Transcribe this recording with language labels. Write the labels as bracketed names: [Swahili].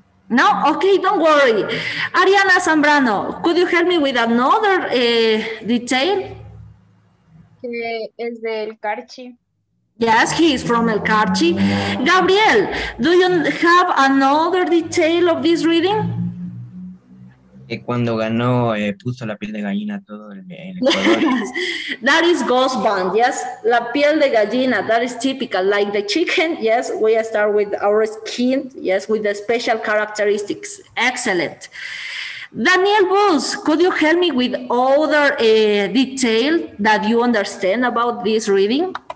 [English] No? Okay, don't worry. Ariana Zambrano, could you help me with another detail? [Spanish] Es del Carchi. [English] Yes, he is from El Carchi. Gabriel, do you have another detail of this reading? [Spanish] Cuando ganó, puso la piel de gallina todo en el [English] That is ghost band, yes. [Spanish] La piel de gallina, [English] that is typical. Like the chicken, yes, we start with our skin, yes, with the special characteristics. Excellent. Daniel Bus, could you help me with other detail that you understand about this reading?